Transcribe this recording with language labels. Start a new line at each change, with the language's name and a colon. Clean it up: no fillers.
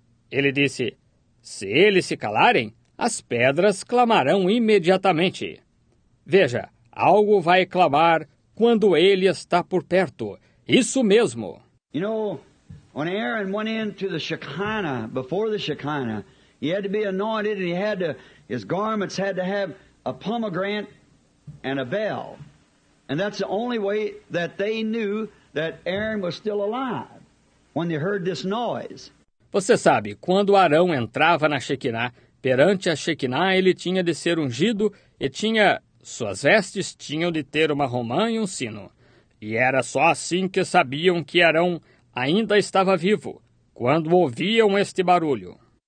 Portuguese: Ele disse, se eles se calarem, as pedras clamarão imediatamente. Veja, algo vai clamar quando ele está por perto, isso mesmo.
English: You know, when Aaron went into the Shekinah, before the Shekinah, he had to be anointed and his garments had to have a pomegranate and a bell. And that's the only way that they knew that Aaron was still alive, when they heard this noise.
Portuguese: Você sabe, quando Arão entrava na Shekinah, perante a Shekinah ele tinha de ser ungido e tinha suas vestes tinham de ter uma romã e um sino. E era só assim que sabiam que Arão ainda estava vivo, quando ouviam este barulho.